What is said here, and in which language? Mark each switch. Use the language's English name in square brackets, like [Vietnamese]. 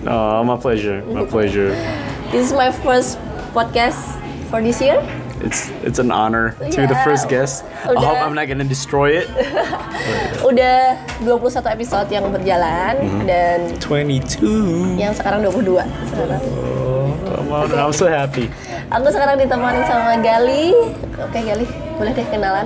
[English] Oh, my pleasure, my pleasure. This is my first podcast for this year. It's an honor to be the first guest. Udah, I hope I'm not gonna destroy it. [Indonesian] Udah 21 episode yang berjalan dan 22. Yang sekarang 22 sekarang. [English] Oh, come on, okay. I'm so happy. [Indonesian] Aku sekarang ditemani sama Gali. Oke, Gali, boleh deh kenalan.